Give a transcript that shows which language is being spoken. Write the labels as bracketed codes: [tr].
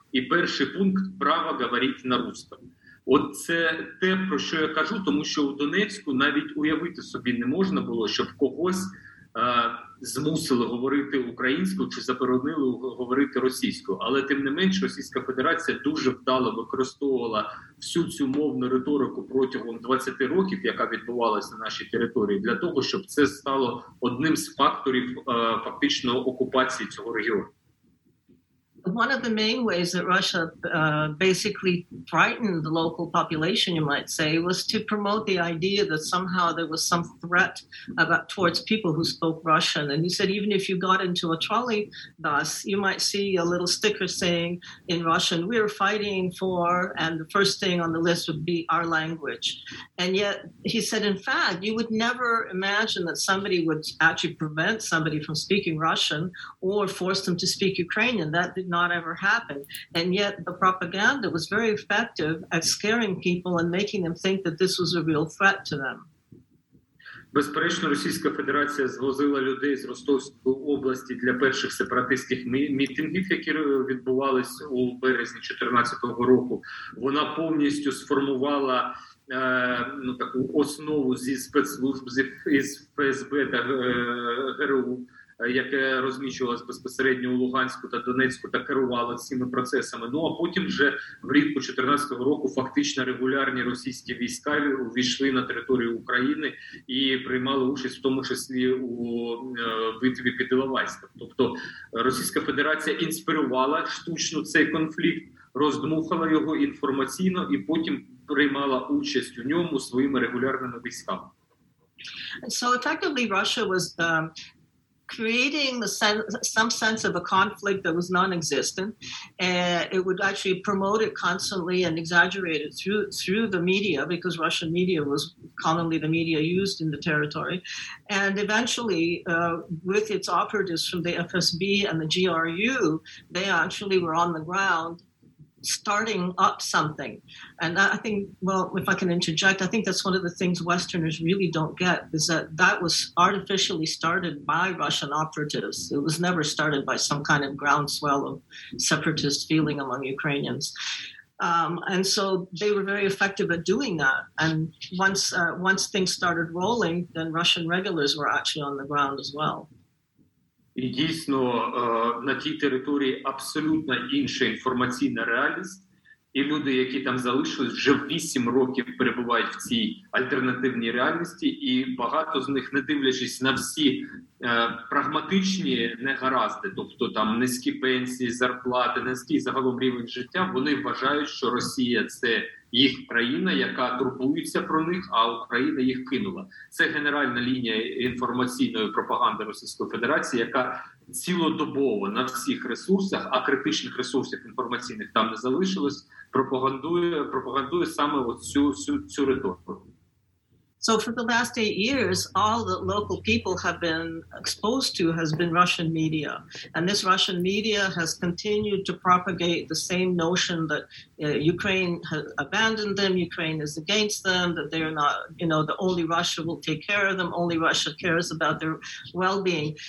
[uk] І перший пункт «Право говорити на русском». От це те, про що я кажу, тому що у Донецьку навіть уявити собі не можна було, щоб когось змусили говорити українською чи заборонили говорити російською. Але тим не менш, Російська Федерація дуже вдало використовувала всю цю мовну риторику протягом 20 років, яка відбувалася на нашій території, для того, щоб це стало одним з факторів фактично окупації цього регіону. [en] One of the main ways that Russia basically frightened the local population, you might say, was to promote the idea that somehow there was some threat about towards people who spoke Russian. And you said even if you got into a trolley bus, you might see a little sticker saying in Russian, we are fighting for, and the first thing on the list would be our language. And yet, he said, in fact, you would never imagine that somebody would actually prevent somebody from speaking Russian or force them to speak Ukrainian. That not ever happened. And yet the propaganda was very effective at scaring people and making them think that this was a real threat to them. [uk] Безперечно, Російська Федерація звозила людей з Ростовської області для перших сепаратистських мітингів, які відбувалися у березні 2014 року. Вона повністю сформувала таку основу зі спецслужб, із ФСБ та ГРУ, яке розміщувалось безпосередньо у Луганську та Донецьку та керувало цими процесами. Ну, а потім вже влітку 2014 року фактично регулярні російські війська увійшли на територію України і приймали участь в тому числі у битві під Іловайськом. Тобто Російська Федерація інспірувала штучно цей конфлікт, роздмухала його інформаційно і потім приймала участь у ньому своїми регулярними військами. [en] So effectively Russia was creating some sense of a conflict that was non-existent, and it would actually promote it constantly and exaggerate it through the media, because Russian media was commonly the media used in the territory. And eventually, with its operatives from the FSB and the GRU, they actually were on the ground starting up something. And that, I think, well, if I can interject, I think that's one of the things Westerners really don't get, is that that was artificially started by Russian operatives. It was never started by some kind of groundswell of separatist feeling among Ukrainians. And so they were very effective at doing that. And once things started rolling, then Russian regulars were actually on the ground as well. [uk] І дійсно на тій території абсолютно інша інформаційна реальність, і люди, які там залишились, вже 8 років перебувають в цій альтернативній реальності, і багато з них, не дивлячись на всі прагматичні негаразди, тобто там низькі пенсії, зарплати, низький загалом рівень життя, вони вважають, що Росія – це їх країна, яка турбується про них, а Україна їх кинула. Це генеральна лінія інформаційної пропаганди Російської Федерації, яка цілодобово на всіх ресурсах, а критичних ресурсів інформаційних там не залишилось, пропагандує саме цю риторику. [en] So for the last 8 years, all the local people have been exposed to has been Russian media. And this Russian media has continued to propagate the same notion that Ukraine has abandoned them, Ukraine is against them, that they are not, you know, that only Russia will take care of them, only Russia cares about their well-being.